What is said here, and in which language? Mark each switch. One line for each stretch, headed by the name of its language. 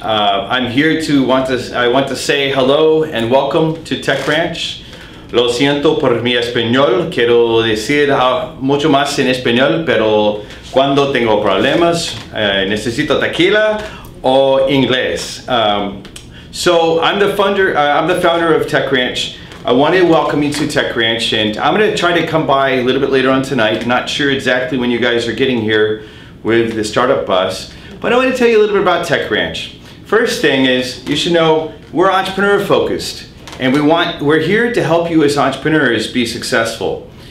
English: I want to say hello and welcome to TechRanch.
Spanish: Lo siento por mi español. Quiero decir mucho más en español, pero cuando tengo problemas, necesito tequila
English: o inglés. So I'm the founder of TechRanch. I want to welcome you to TechRanch, and I'm going to try to come by a little bit later on tonight. Not sure exactly when you guys are getting here with the startup bus, but I want to tell you a little bit about TechRanch. First thing is, you should know we're entrepreneur focused, and we're here to help you as entrepreneurs be successful.